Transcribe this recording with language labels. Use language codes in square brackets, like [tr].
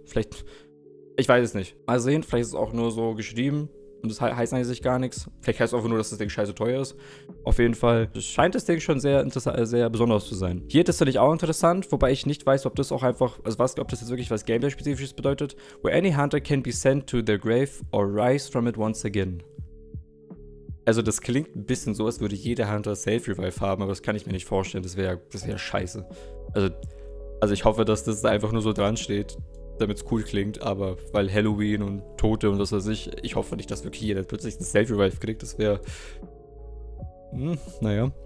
[de] Vielleicht, ich weiß es nicht. Mal sehen, vielleicht ist es auch nur so geschrieben und das heißt eigentlich gar nichts. Vielleicht heißt es einfach nur, dass das Ding scheiße teuer ist. Auf jeden Fall scheint das Ding schon sehr besonders zu sein. Hier ist es natürlich auch interessant, wobei ich nicht weiß, ob das auch einfach, also was, ob das jetzt wirklich was Gameplay-spezifisches bedeutet. [en] Where any hunter can be sent to their grave or rise from it once again. [de] Also das klingt ein bisschen so, als würde jeder Hunter Self-Revive haben, aber das kann ich mir nicht vorstellen, das wäre scheiße. Also ich hoffe, dass das einfach nur so dran steht, damit es cool klingt, aber weil Halloween und Tote und was weiß ich, ich hoffe nicht, dass wirklich jeder plötzlich ein Self-Revive kriegt, das wäre... naja.